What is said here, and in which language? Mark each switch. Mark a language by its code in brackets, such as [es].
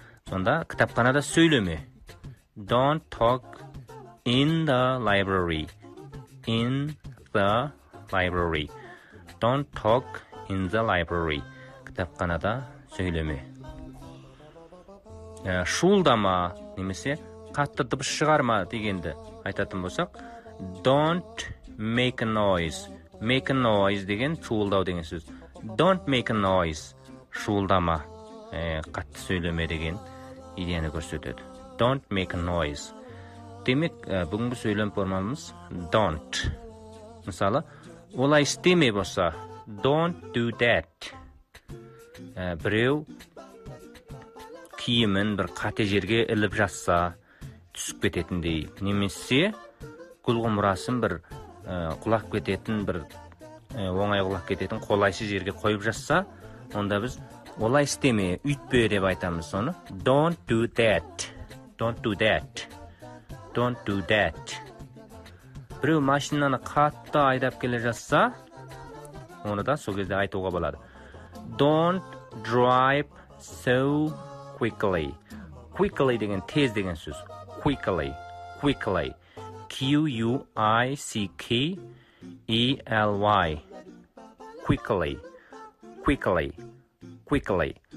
[kk] Сонда, кітапханада сөйлеме. [en] Don't talk in the library. In the library. Don't talk in the library. [kk] Кітапханада сөйлеме. Шулдама, немесе, қатты дыбыс шығарма дегенді айтатын болсақ, [en] don't make a noise. Make a noise [kk] деген шуылдау деген сөз. [en] Don't make a noise. [kk] Шуылдама. Қатты сөйлеме деген идеяны көрсетеді. [en] Don't make a noise. [kk] Демек, бүгінгі сөйлем формамыз don't. Мысалы, олай істеме болса, [en] don't do that. [kk] Біреу киімін бір қате жерге іліп жатса, түсіп кететіндей. Немесе, күлғымырасын бір құлақ кететін бір оңай құлақ кететін қолайсыз жерге қойып жасса, онда біз олай істеме, үйтпе деп айтамыз соны. [en] Don't do that. Don't do that. Don't do that. [kk] біреу машинаны қатты айдап келе жатса, оны да сол кезде айтуға болады. [en] Don't drive so quickly. [kk] Quickly деген тез деген сөз. [en] Quickly. Quickly. Q-U-I-C-K-E-L-Y. Quickly. Quickly. Quickly.